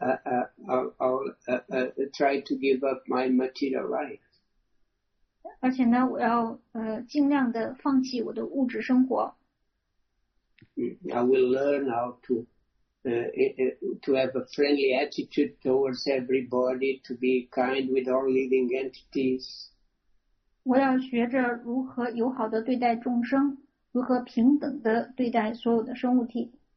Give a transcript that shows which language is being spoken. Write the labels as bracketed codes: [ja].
[en] And I'll try to give up my material life. [zh] 而且呢，我要尽量的放弃我的物质生活。 [en] I will learn how to have a friendly attitude towards everybody, to be kind with all living entities. [zh] 我要学着如何友好的对待众生，如何平等的对待所有的生物体。